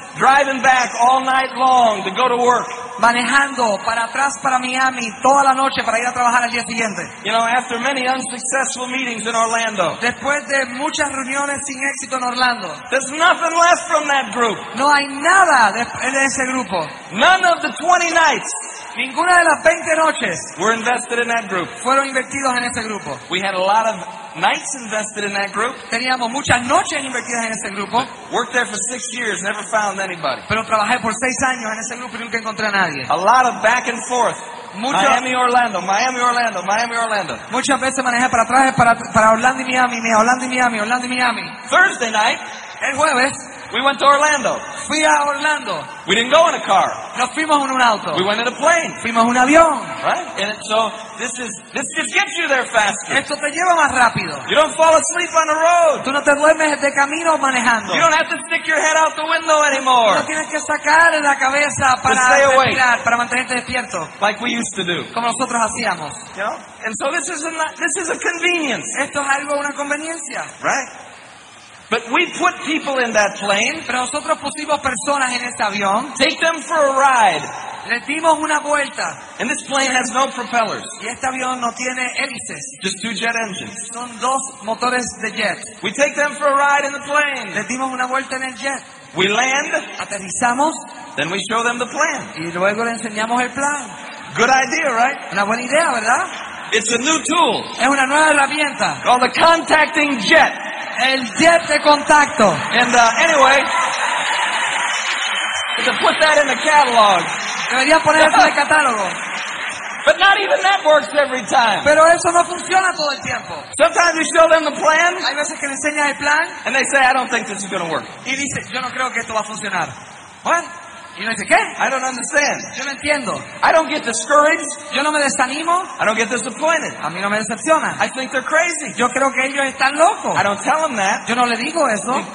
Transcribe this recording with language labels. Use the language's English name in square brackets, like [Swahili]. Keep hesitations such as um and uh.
[English] Driving back all night long to go to work. [Spanish] Manejando para atrás para Miami toda la noche para ir a trabajar al día siguiente. [English] You know, after many unsuccessful meetings in Orlando. [Spanish] Después de muchas reuniones sin éxito en Orlando. [English] There's nothing left from that group. [Spanish] No hay nada de, de ese grupo. [English] None of the 20 nights. [Spanish] Ninguna de las 20 noches [English] were invested in that group. [Spanish] Fueron invertidos en ese grupo. [English] We had a lot of nights invested in that group. [Spanish] Teníamos muchas noches invertidas en ese grupo. [English] But worked there for six years, never found anybody. [Spanish] Pero trabajé por seis años en ese grupo y nunca encontré a nadie. [English] A lot of back and forth. [Spanish] Mucho Miami Orlando, Miami Orlando, Miami Orlando. Muchas veces manejé para atrás para para Orlando y Miami, Miami Orlando y Miami, Orlando y Miami. [English] Thursday night, [Spanish] el jueves [English] we went to Orlando. [Spanish] Fui a Orlando. [English] We didn't go in a car. [Spanish] No fuimos en un auto. [English] We went in a plane. [Spanish] Fuimos un avión. [English] Right? And it, so, so this is this just gets you there faster. [Spanish] Esto te lleva más rápido. [English] You don't fall asleep on the road. [Spanish] Tú no te duermes de camino manejando. [English] You don't have to stick your head out the window anymore. [Spanish] No, no tienes que sacar la cabeza para mirar, para mantenerte despierto. [English] Like we used to do. [Spanish] Como nosotros hacíamos. [English] You yeah. know? And so this is a this is a convenience. [Spanish] Esto es algo una conveniencia. [English] Right? But we put people in that plane. [Spanish] Pero nosotros pusimos personas en ese avión. [English] Take them for a ride. [Spanish] Les dimos una vuelta. [English] And this plane yeah. has no propellers. [Spanish] Y este avión no tiene hélices. [English] Just two jet engines. [Spanish] Son dos motores de jet. [English] We take them for a ride in the plane. [Spanish] Les dimos una vuelta en el jet. [English] We land. [Spanish] Aterrizamos. [English] Then we show them the plane. [Spanish] Y luego le enseñamos el plan. [English] Good idea, right? [Spanish] Una buena idea, ¿verdad? [English] It's a new tool. Called the contacting jet. [Spanish] El jet de contacto. [English] And uh, anyway, to put that in the catalog. [Spanish] Debería poner en el catálogo. [English] But not even that works every time. [Spanish] Pero eso no funciona todo el tiempo. [English] Sometimes we show them the plan. [Spanish] Hay veces que le enseñas el plan. [English] And they say, I don't think this is going to work. [Spanish] Y dice, yo no creo que esto va a funcionar. Bueno. No dice, [English] I don't understand. [Spanish] Yo no entiendo. [English] I don't get discouraged. [Spanish] Yo no me desanimo. [English] I don't get disappointed. [Spanish] A mí no me decepciona. [English] I think they're crazy. [Spanish] Yo creo que ellos están locos. [English] I don't tell them that [Spanish] yo no le digo eso.